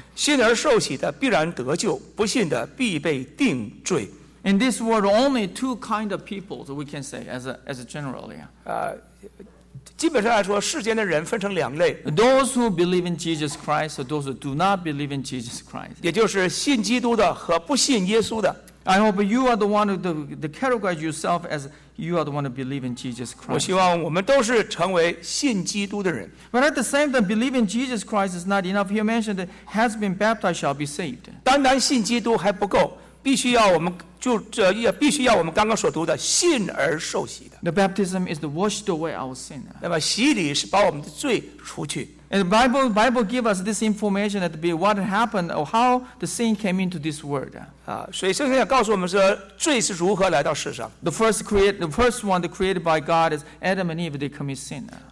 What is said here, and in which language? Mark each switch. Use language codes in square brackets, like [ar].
[zh] 信而受洗的必然得救，不信的必被定罪。 [en] In this world, only two kinds of people that we can say as a generally. [zh] 基本上来说，世间的人分成两类。 [en] Those who believe in Jesus Christ, or those who do not believe in Jesus Christ. [zh] 也就是信基督的和不信耶稣的。 [en] I hope you are the one who the categorize yourself as you are the one who believe in Jesus Christ. [zh] 我希望我们都是成为信基督的人。 [en] But at the same time, believing Jesus Christ is not enough. He mentioned that has been baptized shall be saved. [zh] 单单信基督还不够，必须要我们就这也必须要我们刚刚所读的信而受洗的。 [en] The baptism is to wash away our sin. [zh] 那么洗礼是把我们的罪除去。 [en] And the Bible gives us this information that be what happened or how the sin came into this world. [zh] 所以圣经也告诉我们说罪是如何来到世上。 [en] The first one created by God is Adam and Eve. They commit sin.